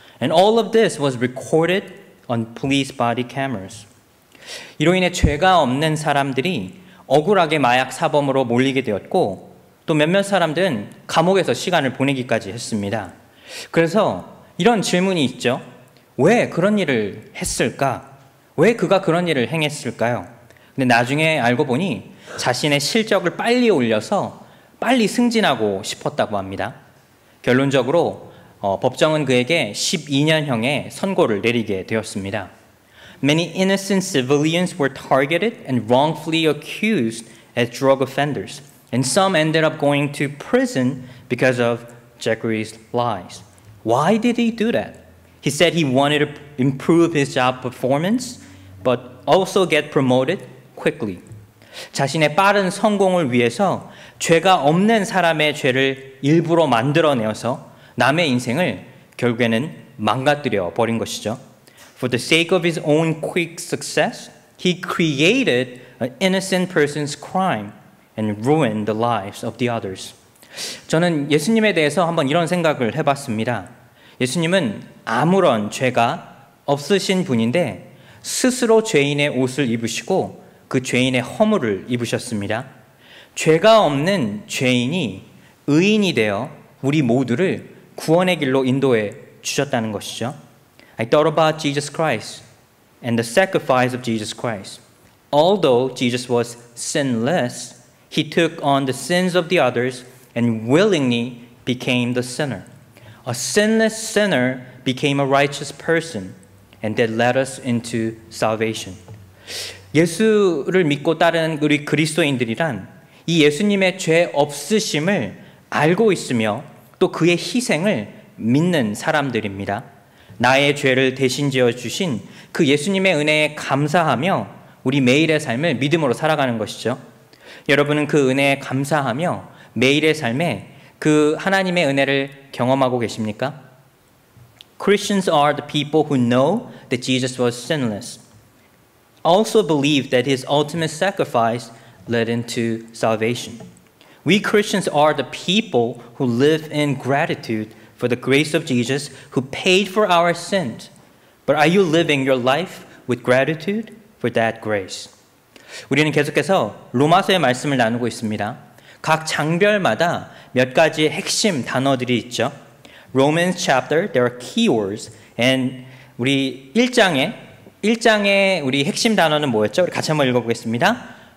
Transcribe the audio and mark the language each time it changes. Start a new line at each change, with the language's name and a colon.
English: And all of this was recorded on police body cameras.
Korean: 이로 인해 죄가 없는 사람들이 억울하게 마약 사범으로 몰리게 되었고, 또 몇몇 사람들은 감옥에서 시간을 보내기까지 했습니다. 그래서 이런 질문이 있죠. 왜 그런 일을 했을까? 왜 그가 그런 일을 행했을까요? 근데 나중에 알고 보니 자신의 실적을 빨리 올려서 빨리 승진하고 싶었다고 합니다. 결론적으로 법정은 그에게 12년형의 선고를 내리게 되었습니다.
English: Many innocent civilians were targeted and wrongfully accused as drug offenders, and some ended up going to prison because of Jeffrey's lies. Why did he do that? He said he wanted to improve his job performance, but also get promoted quickly.
Korean: 자신의 빠른 성공을 위해서 죄가 없는 사람의 죄를 일부러 만들어내어서 남의 인생을 결국에는 망가뜨려 버린 것이죠.
English: For the sake of his own quick success, he created an innocent person's crime and ruined the lives of the others.
Korean: 저는 예수님에 대해서 한번 이런 생각을 해봤습니다. 예수님은 아무런 죄가 없으신 분인데 스스로 죄인의 옷을 입으시고 그 죄인의 허물을 입으셨습니다. 죄가 없는 죄인이 의인이 되어 우리 모두를 구원의 길로 인도해 주셨다는 것이죠.
English: I thought about Jesus Christ and the sacrifice of Jesus Christ. Although Jesus was sinless, he took on the sins of the others and willingly became the sinner. A sinless sinner became a righteous person, and that led us into salvation.
Korean: 예수를 믿고 따르는 우리 그리스도인들이란 이 예수님의 죄 없으심을 알고 있으며 또 그의 희생을 믿는 사람들입니다. 나의 죄를 대신 지어 주신 그 예수님의 은혜에 감사하며 우리 매일의 삶을 믿음으로 살아가는 것이죠. 여러분은 그 은혜에 감사하며 매일의 삶에 그 하나님의 은혜를 경험하고 계십니까?
English: Christians are the people who know that Jesus was sinless, also believe that his ultimate sacrifice led into salvation. We Christians are the people who live in gratitude for the grace of Jesus who paid for our sins. But are you living your life with gratitude for that grace?
Korean: 우리는 계속해서 로마서의 말씀을 나누고 있습니다. 각 장별마다 몇 가지 핵심 단어들이 있죠.
English: Romans chapter, there are keywords.
Korean: And 우리 1장에 우리 핵심 단어는 뭐였죠? 우리 같이 한번 읽어보겠습니다.